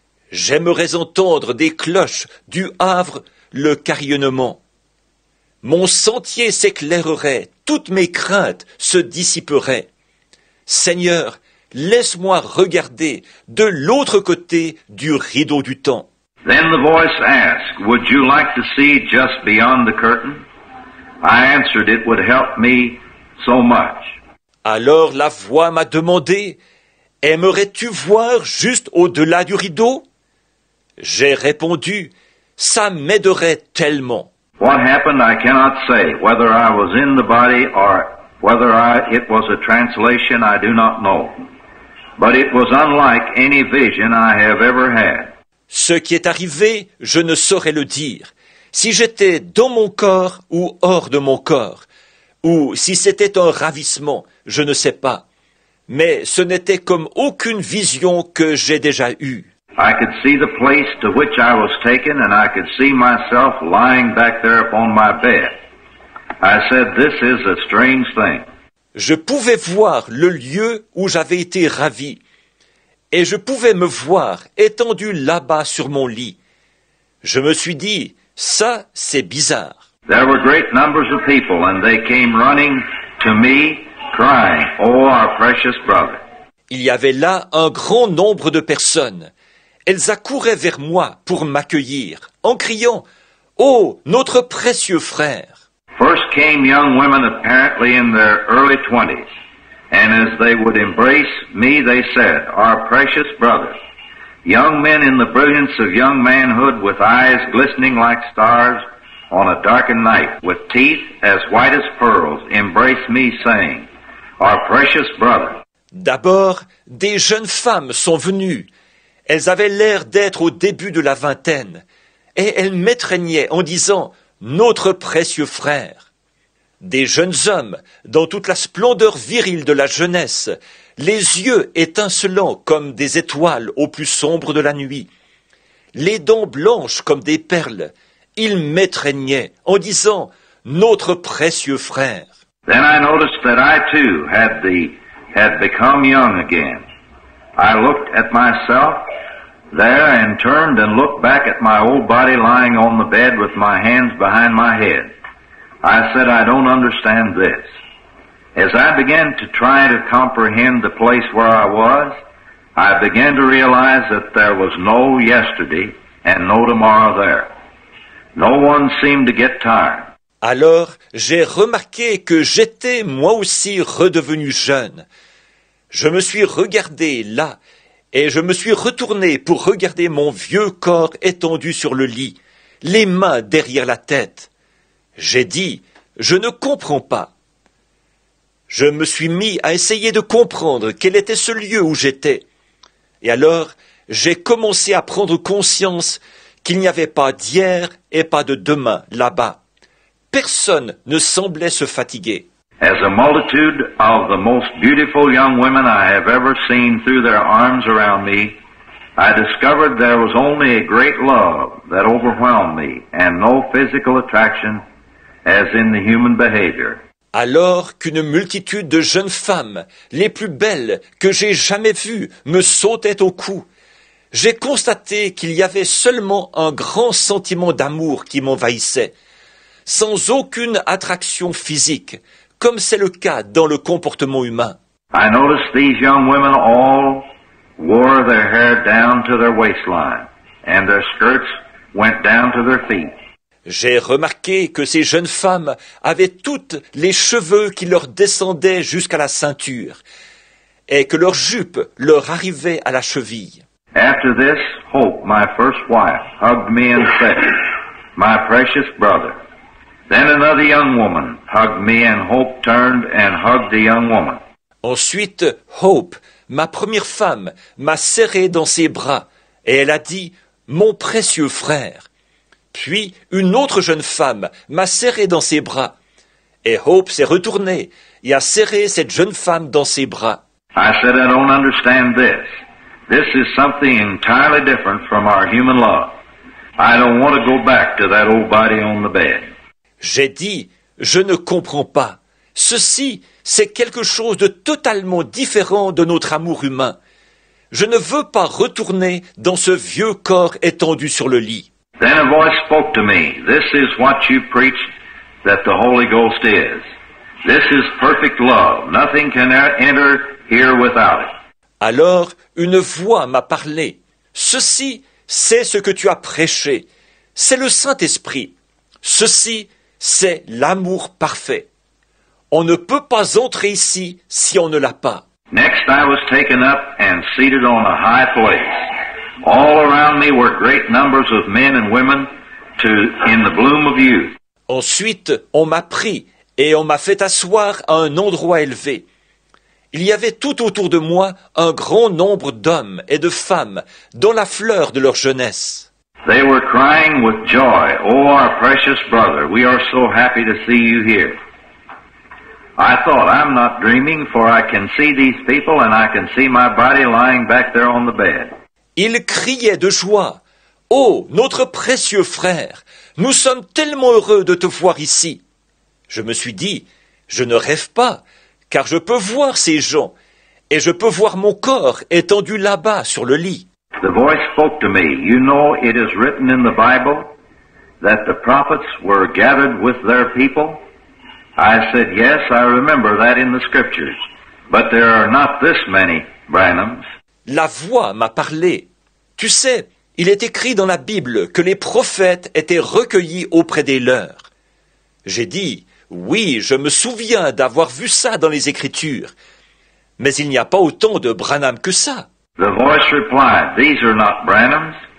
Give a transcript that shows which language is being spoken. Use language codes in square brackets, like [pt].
[fr] J'aimerais entendre des cloches du Havre le carillonnement. Mon sentier s'éclairerait, toutes mes craintes se dissiperaient. Seigneur, laisse-moi regarder de l'autre côté du rideau du temps. [en] Then the voice asked, would you like to see just beyond the curtain? I answered, it would help me so much. [fr] Alors la voix m'a demandé, aimerais-tu voir juste au-delà du rideau? J'ai répondu, ça m'aiderait tellement. [en] What happened, I cannot say, whether I was in the body or whether it was a translation, I do not know. But it was unlike any vision I have ever had. [fr] Ce qui est arrivé, je ne saurais le dire. Si j'étais dans mon corps ou hors de mon corps, ou si c'était un ravissement, je ne sais pas. Mais ce n'était comme aucune vision que j'ai déjà eue. [en] I could see the place to which I was taken, and I could see myself lying back there upon my bed. I said, this is a strange thing. [fr] Je pouvais voir le lieu où j'avais été ravi. Et je pouvais me voir étendu là-bas sur mon lit. Je me suis dit, ça, c'est bizarre. [en] There were great numbers of people, and they came running to me, crying, oh, our precious brother. [fr] Il y avait là un grand nombre de personnes. Elles accouraient vers moi pour m'accueillir, en criant, oh, notre précieux frère. [en] First came young women, apparently in their early 20s. And as they would embrace me, they said, our precious brother, young men in the brilliance of young manhood with eyes glistening like stars on a darkened night, with teeth as white as pearls, embrace me saying, our precious brother. [fr] D'abord, des jeunes femmes sont venues. Elles avaient l'air d'être au début de la vingtaine. Et elles m'étreignaient en disant, notre précieux frère. Des jeunes hommes, dans toute la splendeur virile de la jeunesse, les yeux étincelants comme des étoiles au plus sombre de la nuit, les dents blanches comme des perles, ils m'étreignaient en disant, notre précieux frère. [en] Then I noticed that I too had become young again. I looked at myself there and turned and looked back at my old body lying on the bed with my hands behind my head. I said, I don't understand this. As I began to try to comprehend the place where I was, I began to realize that there was no yesterday and no tomorrow there. No one seemed to get tired. [fr] Alors, j'ai remarqué que j'étais moi aussi redevenu jeune. Je me suis regardé là et je me suis retourné pour regarder mon vieux corps étendu sur le lit, les mains derrière la tête. J'ai dit, je ne comprends pas. Je me suis mis à essayer de comprendre quel était ce lieu où j'étais. Et alors, j'ai commencé à prendre conscience qu'il n'y avait pas d'hier et pas de demain là-bas. Personne ne semblait se fatiguer. [en] As a multitude of the most beautiful young women I have ever seen threw their arms around me, I discovered there was only a great love that overwhelmed me and no physical attraction as in the human behavior. [fr] Alors qu'une multitude de jeunes femmes, les plus belles que j'ai jamais vues, me sautaient au cou, j'ai constaté qu'il y avait seulement un grand sentiment d'amour qui m'envahissait, sans aucune attraction physique, comme c'est le cas dans le comportement humain. [en] I noticed these young women all wore their hair down to their waistline, and their skirts went down to their feet. [fr] J'ai remarqué que ces jeunes femmes avaient toutes les cheveux qui leur descendaient jusqu'à la ceinture et que leurs jupes leur arrivaient à la cheville. [en] After this, Hope, my first wife, hugged me and said, "My precious brother." Then another young woman hugged me and Hope turned and hugged the young woman. [fr] Ensuite, Hope, ma première femme, m'a serré dans ses bras et elle a dit, "Mon précieux frère." Puis, une autre jeune femme m'a serré dans ses bras. Et Hope s'est retournée et a serré cette jeune femme dans ses bras. [en] I said, I don't understand this. This is something entirely different from our human love. I don't want to go back to that old body on the bed. [fr] J'ai dit, je ne comprends pas. Ceci, c'est quelque chose de totalement différent de notre amour humain. Je ne veux pas retourner dans ce vieux corps étendu sur le lit. [en] Then a voice spoke to me. This is what you preach that the Holy Ghost is. This is perfect love. Nothing can enter here without it. [fr] Alors, une voix m'a parlé. Ceci, c'est ce que tu as prêché. C'est le Saint-Esprit. Ceci, c'est l'amour parfait. On ne peut pas entrer ici si on ne l'a pas. [en] Next, I was taken up and seated on a high place. All around me were great numbers of men and women in the bloom of youth. [fr] Ensuite, on m'a pris et on m'a fait asseoir à un endroit élevé. Il y avait tout autour de moi un grand nombre d'hommes et de femmes dans la fleur de leur jeunesse. [en] They were crying with joy, "Oh, our precious brother, we are so happy to see you here." I thought, "I'm not dreaming, for I can see these people and I can see my body lying back there on the bed." [fr] Ils criaient de joie, « Oh, notre précieux frère, nous sommes tellement heureux de te voir ici !» Je me suis dit, « Je ne rêve pas, car je peux voir ces gens, et je peux voir mon corps étendu là-bas sur le lit. » [en] The voice spoke to me, « You know, it is written in the Bible that the prophets were gathered with their people. » I said, « Yes, I remember that in the scriptures, but there are not this many Branhams. » [fr] La voix m'a parlé. Tu sais, il est écrit dans la Bible que les prophètes étaient recueillis auprès des leurs. J'ai dit, oui, je me souviens d'avoir vu ça dans les Écritures, mais il n'y a pas autant de Branham que ça. [en] The voice replied, these are not Branhams.